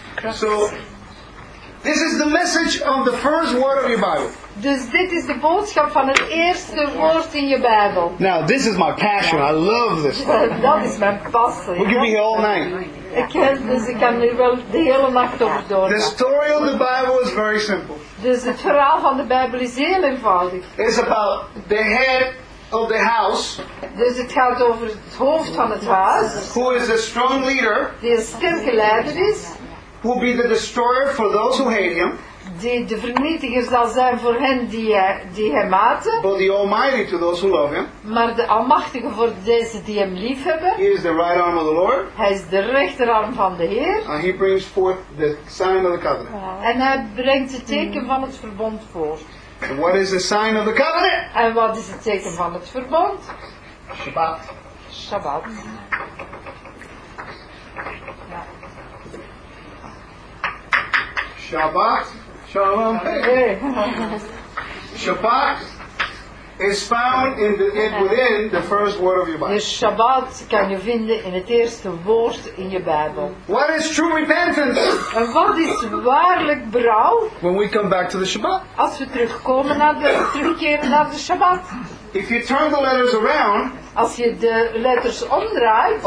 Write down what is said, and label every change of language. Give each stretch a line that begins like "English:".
English: So, this is the message of the first word of your Bible.
Dutch: Dus dit is de boodschap van het eerste woord in je Bijbel.
English: Now, this is my passion. I love this.
Dutch: Dat is mijn passie.
English: We can be here all night.
Dutch: Ik kan nu wel de hele nacht over doorgaan.
English: The story of the Bible is very simple.
Dutch: Dus het verhaal van de Bijbel is heel eenvoudig.
English: It's about the head of the house.
Dutch: Dus het gaat over het hoofd van het huis.
English: Who is a strong leader?
Dutch: Die een sterke leider is.
English: Who will be the destroyer for those who hate him?
Dutch: Die de vernietiger zal zijn voor hen die hem haten.
English: But the almighty to those who love him.
Dutch: Maar de almachtige voor deze die hem lief hebben.
English: He is the right arm of the Lord.
Dutch: Hij is de rechterarm van de Heer.
English: And he brings forth the sign of the covenant. Wow.
Dutch: En hij brengt het teken van het verbond voor.
English: What is the sign of the covenant?
Dutch: En wat is het teken van het verbond?
English: Shabbat. Shabbat. Shabbat. Shalom. Shabbat is found in within the first word of your Bible.
Dutch: Dus Shabbat kan je vinden in het eerste woord in je Bijbel.
English: What is true repentance?
Dutch: En wat is waarlijk berouw?
English: When we come back to the Shabbat.
Dutch: Als we terugkomen naar de terugkeren naar de Shabbat.
English: If you turn the letters around.
Dutch: Als je de letters omdraait.